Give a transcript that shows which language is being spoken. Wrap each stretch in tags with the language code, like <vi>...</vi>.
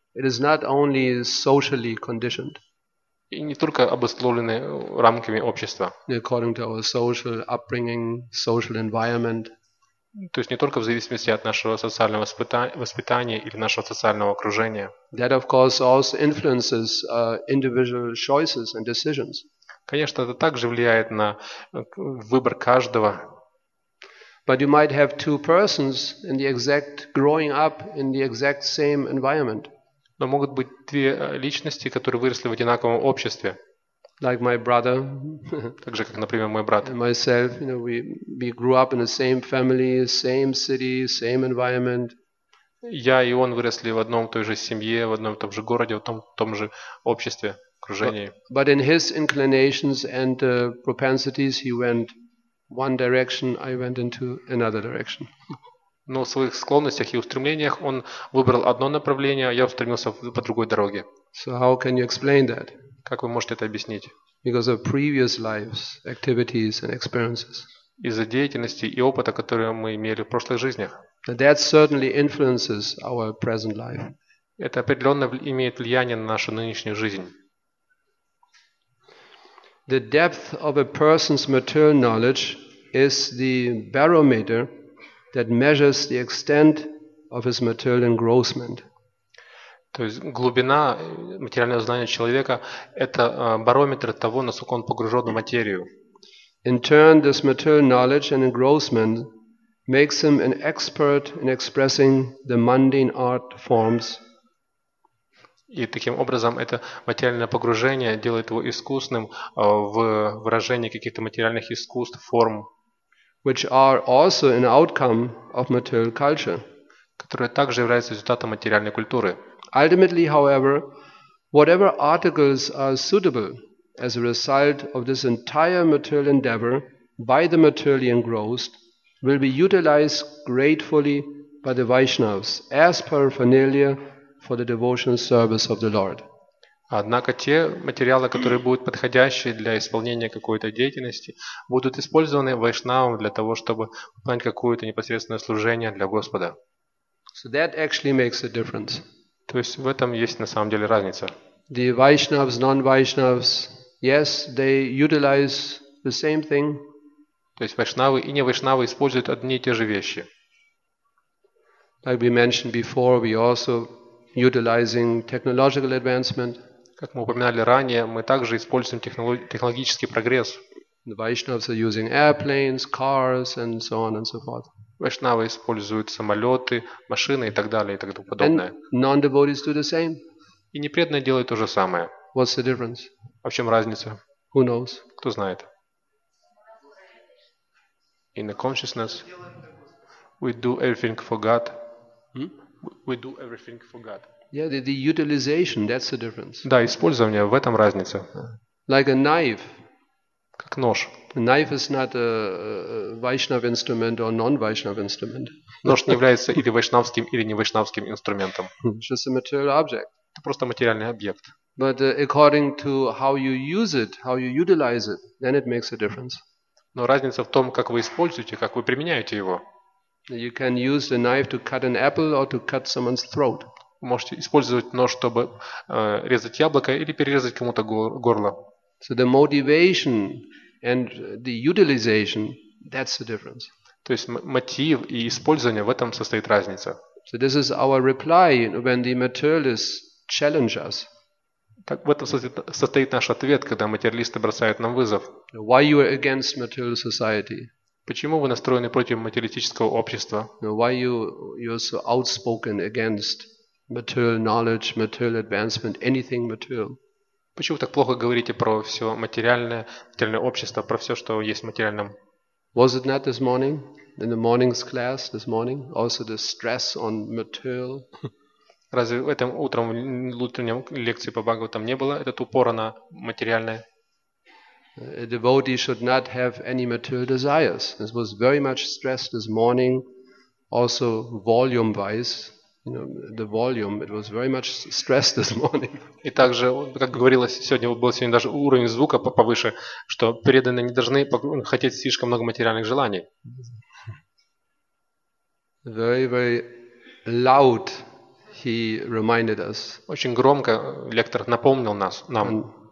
<en>It is not only socially conditioned.</en> <ru>И не только обусловлены рамками общества.</ru> <en>According to our social upbringing, social environment.</en> <ru>То есть не только в зависимости от нашего социального воспитания или нашего социального окружения.</ru> <en>That of course also influences individual choices and decisions.</en> <ru>Конечно, это также влияет на выбор каждого.</ru> <en>But you might have two persons in the exact growing up in the exact same environment.</en> <ru>Но могут быть две личности, которые выросли в одинаковом обществе.</ru> <en>Like my brother.</en> <ru>Так же, как, например, мой брат.</ru> <en>And myself, you know, we grew up in the same family, same city, same environment.</en> <ru>Я и он выросли в одном той же семье, в одном том же городе, в том же обществе, окружении.</ru> <en>But in his inclinations and propensities, he went one direction, I went into another direction.</en> <ru>Но в своих склонностях и устремлениях он выбрал одно направление, а я устремился по другой дороге.</ru> <en>So how can you explain that?</en> <ru>Как вы можете это объяснить?</ru> <en>Because of previous lives, activities and experiences.</en> <ru>Из-за деятельности и опыта, которые мы имели в прошлых жизнях.</ru> <en>That certainly influences our present life.</en> <ru>Это определенно имеет влияние на нашу нынешнюю жизнь.</ru> <en>The depth of a person's material knowledge is the barometer that measures the extent of his material engrossment.</en> <ru>То есть глубина материального знания человека – это барометр того, насколько он погружен в материю.</ru> <en>In turn, this material knowledge and engrossment makes him an expert in expressing the mundane art forms.</en> <ru>И таким образом это материальное погружение делает его искусным в выражении каких-то материальных искусств, форм.</ru> <en>Which are also an outcome of material culture.</en> <ru>Которые также являются результатом материальной культуры.</ru> <en>Ultimately, however, whatever articles are suitable as a result of this entire material endeavor by the materially engrossed will be utilized gratefully by the Vaishnavas as paraphernalia for the devotional service of the Lord.</en> <ru>Однако те материалы, которые будут подходящие для исполнения какой-то деятельности, будут использованы вайшнавам для того, чтобы выполнять какое-то непосредственное служение для Господа.</ru> <en>So that actually makes a difference.</en> <ru>То есть в этом есть на самом деле разница.</ru> <en>The Vaishnavas, non-Vaishnavas, yes, they utilize the same thing.</en> <ru>То есть вайшнавы и не вайшнавы используют одни и те же вещи.</ru> <en>Like we mentioned before, we also utilizing technological advancement.</en> <ru>Как мы упоминали ранее, мы также используем технологический прогресс.</ru> <en>The Vaishnavas are using airplanes, cars, and so on and so forth.</en> <ru>Вайшнавы используют самолеты, машины и так далее и так подобное.</ru> <en>And non-devotees do the same.</en> <ru>И непреданные делают то же самое.</ru> <en>What's the difference?</en> <ru>А в чем разница?</ru> <en>Who knows?</en> <ru>Кто знает?</ru> <en>In the consciousness, we do everything for God. We do everything for God. Yeah, the utilization, that's the difference.</en> <ru>Да, использование, в этом разница.</ru> <en>Like a knife.</en> <ru>Как нож.</ru> <en>A knife is not a Vaishnav instrument or non-Vaishnav instrument.</en> <ru>Нож не является или вайшнавским, или не вайшнавским инструментом.</ru> <en>It's just a material object.</en> <ru>Это просто материальный объект.</ru> <en>But according to how you use it, how you utilize it, then it makes a difference.</en> <ru>Но разница в том, как вы используете, как вы применяете его.</ru> <en>You can use the knife to cut an apple or to cut someone's throat.</en> <ru>Можете использовать нож, чтобы резать яблоко или перерезать кому-то горло.</ru> <en>So the motivation and the utilization, that's the difference.</en> <ru>То есть мотив и использование, в этом состоит разница.</ru> <en>So this is our reply when the materialists challenge us.</en> <ru>Так в этом состоит наш ответ, когда материалисты бросают нам вызов.</ru> <en>Why you are against material society?</en> <ru>Почему вы настроены против материалистического общества?</ru> <en>Why you are so outspoken against material knowledge, material advancement, anything material?</en> <ru>Почему вы так плохо говорите про все материальное, материальное общество, про все, что есть в материальном?</ru> <en>Was it not this morning in the morning's class this morning also the stress on material?</en> <ru>Разве этим утром в утреннем лекции по Бхагаватам не было этот упор на материальное?</ru> <en>A devotee should not have any material desires. This was very much stressed this morning, also volume-wise. You know, the volume, it was very much stressed this morning.</en> <ru>И также, как говорилось сегодня, был сегодня даже уровень звука повыше, что преданные не должны хотеть слишком много материальных желаний.</ru> <en>Very, very loud, he reminded us.</en> <ru>Очень громко лектор напомнил нас, нам.</ru>